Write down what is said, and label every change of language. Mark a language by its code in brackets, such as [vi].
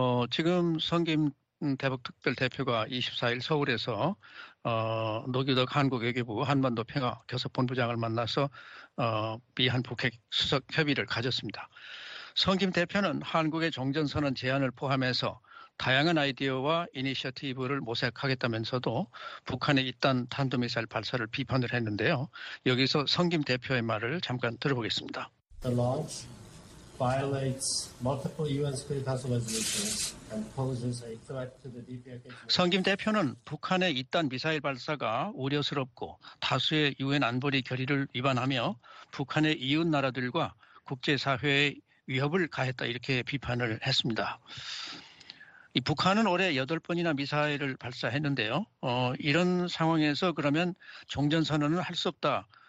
[ko] 지금 성김 대북특별대표가 24일 서울에서 노규덕 한국외교부 한반도 평화교섭본부장을 만나서 미한 북핵수석협의를 가졌습니다. 성김 대표는 한국의 종전선언 제안을 포함해서 다양한 아이디어와 이니셔티브를 모색하겠다면서도 북한의 잇단 탄도미사일 발사를 비판을 했는데요. 여기서 성김 대표의 말을 잠깐 들어보겠습니다. [en] The launch violates multiple UN Security Council resolutions and poses a threat to the DPRK. [ko] 성김 대표는 북한의 잇단 미사일 발사가 우려스럽고 다수의 UN 안보리 결의를 위반하며 북한의 이웃 나라들과 국제사회에 위협을 가했다 이렇게 비판을 했습니다. 이 북한은 올해 8번이나 미사일을 발사했는데요. 이런 상황에서 그러면 종전선언을 할 수 없다.